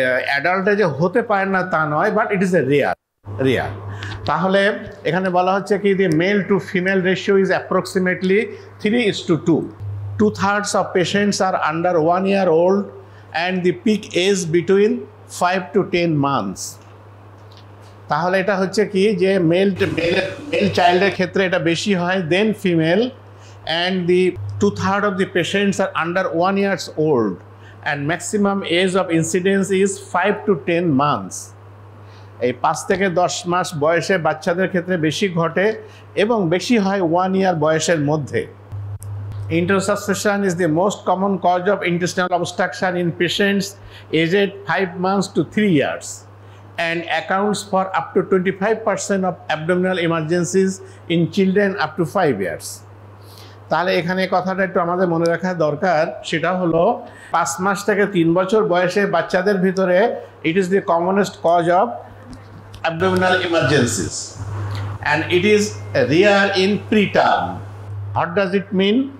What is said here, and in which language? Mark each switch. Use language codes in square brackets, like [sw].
[bn] অ্যাডাল্টে যে হতে পারে না তা নয়, [en] But it is a rare. [bn] তাহলে এখানে বলা হচ্ছে কি, [en] The male to female ratio is approximately 3:2। 2/3 of patients are under 1 year old and the peak age between 5 to 10 months. [bn] তাহলে এটা হচ্ছে কি যে [en] male male চাইল্ডের [bn] ক্ষেত্রে এটা বেশি হয় [en] Then female and the 2/3 of the patients are under 1 years old and maximum age of incidence is 5 to 10 months. [bn] এই 5 থেকে 10 মাস বয়সে বাচ্চাদের ক্ষেত্রে বেশি ঘটে এবং বেশি হয় 1 ইয়ার বয়সের মধ্যে. [en] Intussuscep is the most common cause of intestinal obstruction in patients aged 5 months to 3 years and accounts for up to 25% of abdominal emergencies in children up to 5 years. [bn] তাহলে এখানে কথাটা একটু আমাদের মনে রাখা দরকার, সেটা হলো 5 মাস থেকে 3 বছর বয়সে বাচ্চাদের ভিতরে [en] It is the commonest cause of abdominal emergencies and it is rare in preterm. What does it mean?